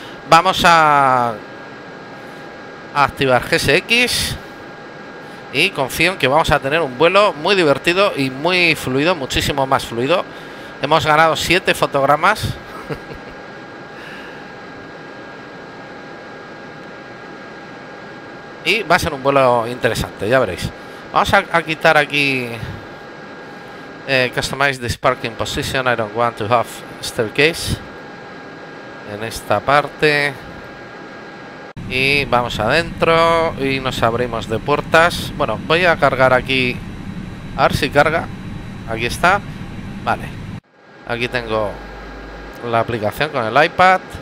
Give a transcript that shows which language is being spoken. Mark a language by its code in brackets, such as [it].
[es] Vamos a activar GSX y confío en que vamos a tener un vuelo muy divertido y muy fluido, muchísimo más fluido. Hemos ganado 7 fotogramas. Y va a ser un vuelo interesante, ya veréis. Vamos a quitar aquí [en] Customize this parking position. I don't want to have staircase [es] en esta parte. Y vamos adentro y nos abrimos de puertas. Bueno, voy a cargar aquí, a ver si carga. Aquí está. Vale, aquí tengo la aplicación con el iPad.